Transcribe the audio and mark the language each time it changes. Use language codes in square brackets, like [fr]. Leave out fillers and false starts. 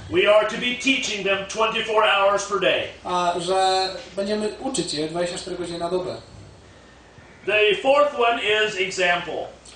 [en] We are to be teaching them 24 hours per day. [pl] A że będziemy uczyć je 24 godziny na dobę. [en] The fourth one is example.